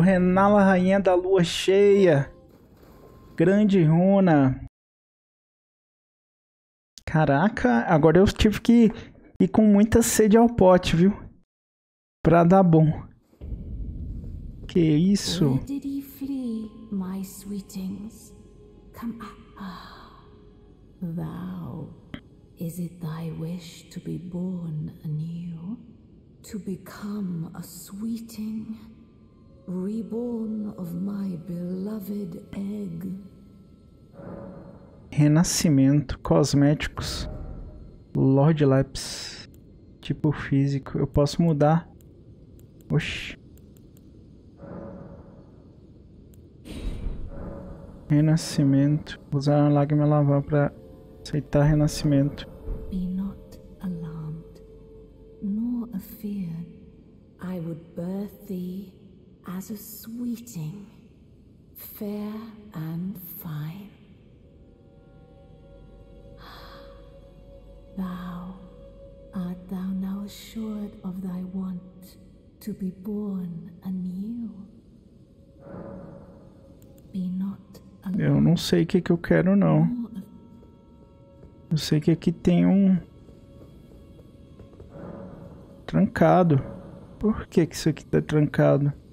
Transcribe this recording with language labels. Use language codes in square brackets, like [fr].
[pt] Renala, rainha da lua cheia. Grande runa. Caraca, agora eu tive que ir com muita sede ao pote, viu? Pra dar bom. Que isso? Onde ele fugiu, meus sweetings? Vem aqui. [en] Thou, is it thy wish to be born anew? To become a sweeting? Reborn of my beloved egg? [pt] Renascimento, cosméticos, Lord Lapis, tipo físico, eu posso mudar. Oxi. Renascimento, usar uma lágrima lavar para aceitar renascimento. [en] Be not alarmed, nor afeared. I would birth thee as a sweeting, fair and fine. Thou, art thou now assured of thy want to be born anew? Be not alone. [pt] Eu não sei o que que eu quero, não. Eu sei que aqui tem um... trancado. Por que que isso aqui tá trancado?